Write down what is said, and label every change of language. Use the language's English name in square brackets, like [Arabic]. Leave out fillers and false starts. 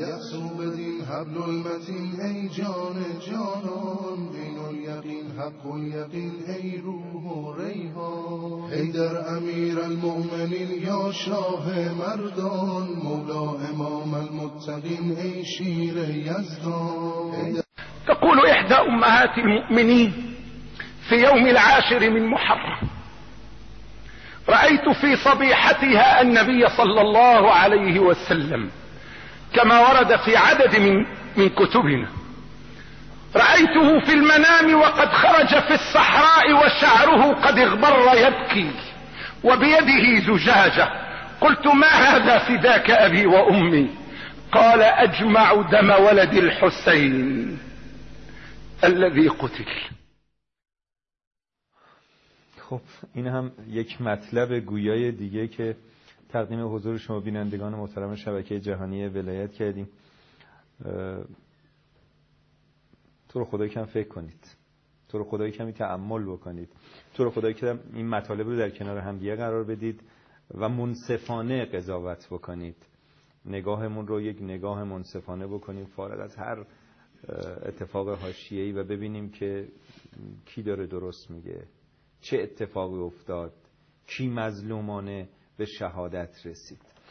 [Persian] یسوع بدین حبل المتین ای جان جانان، دین الیقین حق الیقین ای روح و ریحان. حیدر امیر المؤمنین یا شاه مردان، مولا امام المتقین ای شیر یزدان. [Arabic] تقول احدى امهات المؤمنین في يوم العاشر من محرم، رأيت في صبيحتها النبي صلى الله عليه وسلم كما ورد في عدد من كتبنا، رأيته في المنام وقد خرج في الصحراء وشعره قد اغبر يبكي وبيده زجاجة. قلت ما هذا فداك أبي وأمي؟ قال أجمع دم ولد الحسين الذي قتل. [Persian] خب این هم یک مطلب گویای دیگه که تقدیم حضور شما بینندگان محترم شبکه جهانی ولایت کردیم. تو رو خدای کم فکر کنید، تو رو خدای کمی تأمل بکنید، تو رو خدای کم این مطالب رو در کنار هم دیگه قرار بدید و منصفانه قضاوت بکنید، نگاهمون رو یک نگاه منصفانه بکنیم فارغ از هر اتفاق حاشیه‌ای و ببینیم که کی داره درست میگه، چه اتفاقی افتاد، کی مظلومانه به شهادت رسید.